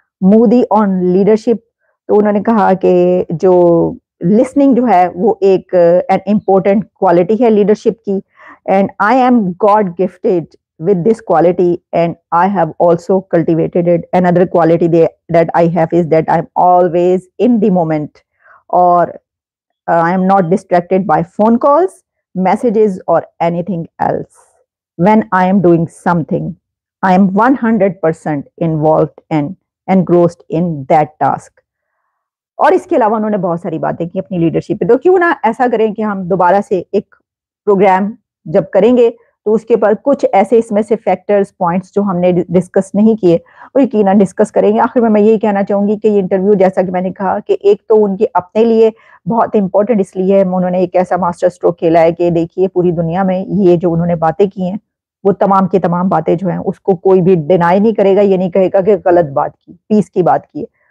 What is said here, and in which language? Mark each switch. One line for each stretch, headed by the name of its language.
Hindi: Modi on leadership, तो उन्होंने कहा कि जो लिसनिंग जो है वो एक एन इम्पोर्टेंट क्वालिटी है लीडरशिप की,
English: And I am God gifted with this quality and I have also cultivated it. Another quality that I have is that I am always in the moment और I am not distracted by phone calls, messages or anything else. When I am doing something, I am 100% involved and engrossed in that task.
Hindi: और इसके अलावा उन्होंने बहुत सारी बातें की अपनी लीडरशिप पे। तो क्यों ना ऐसा करें कि हम दोबारा से एक प्रोग्राम जब करेंगे तो उसके ऊपर कुछ ऐसे इसमें से फैक्टर्स पॉइंट्स जो हमने डिस्कस नहीं किए वो यकीन डिस्कस करेंगे। आखिर में मैं यही कहना चाहूंगी कि ये इंटरव्यू, जैसा कि मैंने कहा कि एक तो उनके अपने लिए बहुत इंपॉर्टेंट इसलिए है, उन्होंने एक ऐसा मास्टर स्ट्रोक खेला है कि देखिए पूरी दुनिया में ये जो उन्होंने बातें की हैं वो तमाम की तमाम बातें जो हैं उसको कोई भी डिनाई नहीं करेगा, ये नहीं कहेगा कि गलत बात की, पीस की बात की।